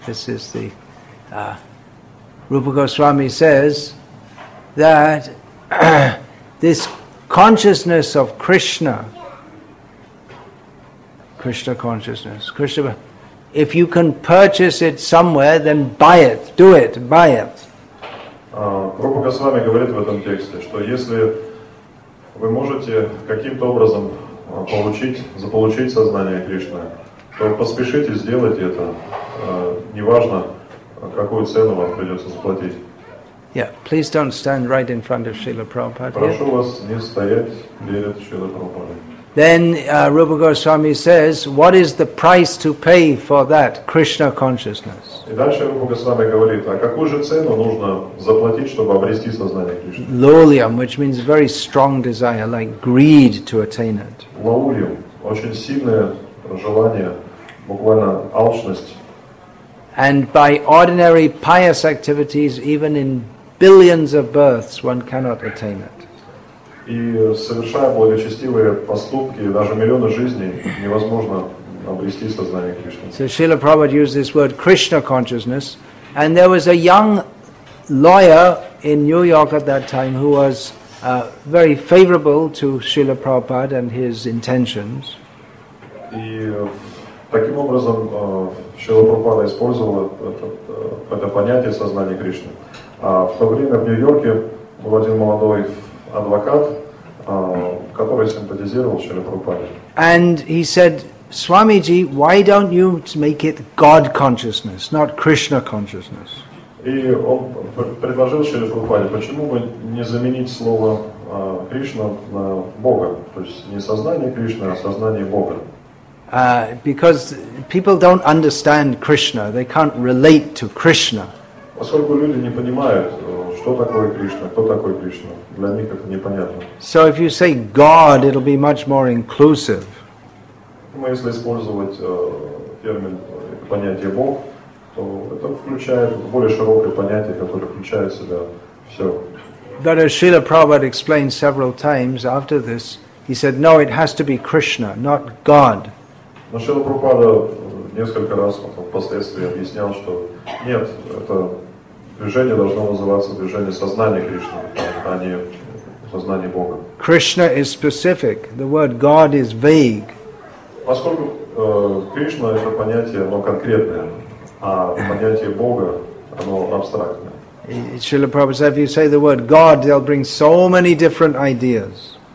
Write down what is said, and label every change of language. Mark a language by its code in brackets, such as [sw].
[en] This is the Rupa Goswami says that this consciousness of Krishna consciousness, Krishna, if you can purchase it somewhere, then buy it, do it, buy it. [ru] Rupa Goswami говорит в этом тексте, что если вы можете каким-то образом заполучить сознание Кришны, то поспешите сделать это, неважно, какую цену вам придется заплатить. [en] Yeah, please don't stand right in front of Srila Prabhupada. [ru] Прошу вас не стоять перед Srila Prabhupada. [en] Then Rupa Goswami says, what is the price to pay for that Krishna consciousness? [ru] И дальше Рупа Госвами говорит, а какую же цену нужно заплатить, чтобы обрести сознание Кришны? [en] Lolyam, which means very strong desire, like greed to attain it. [ru] Lolyam, очень сильное желание, буквально алчность. [en] And by ordinary pious activities, even in billions of births, one cannot attain it. [ru] И совершая благочестивые поступки, даже миллионы жизней, невозможно обрести сознание Кришны. [en] So Srila Prabhupada used this word Krishna consciousness, and there was a young lawyer in New York at that time who was very favorable to Srila Prabhupada and his intentions. [ru] И таким образом Srila Prabhupada использовал это понятие сознания Кришны. А в то время в Нью-Йорке был один молодой адвокат, который симпатизировал Шри Прабхупаде. [en] And he said, Swamiji, why don't you make it God consciousness, not Krishna consciousness? [ru] И он предложил Шри Прабхупаде, почему бы не заменить слово Кришна на Бога, то есть не сознание Кришны, а сознание Бога. [en] Because people don't understand Krishna, they can't relate to Krishna. [ru] Поскольку люди не понимают, что такое Кришна, кто такой Кришна. Для них это непонятно. [en] So if you say God, it'll be much more inclusive. [ru] Мы если использовать термин понятие Бог, то это включает более широкое понятие, которое включает в себя все. [en] But as Srila Prabhupada explained several times after this, he said, no, it has to be Krishna, not God. [ru] Но Srila Prabhupada несколько раз впоследствии объяснял, что нет, это движение должно называться движение сознания Кришны, а не сознание Бога. [en] Krishna is specific. The word God is vague. [ru] Поскольку Кришна это понятие, оно конкретное, а понятие Бога оно абстрактное. [en] Srila Prabhupada said, if you say the word God, they'll bring so many different ideas.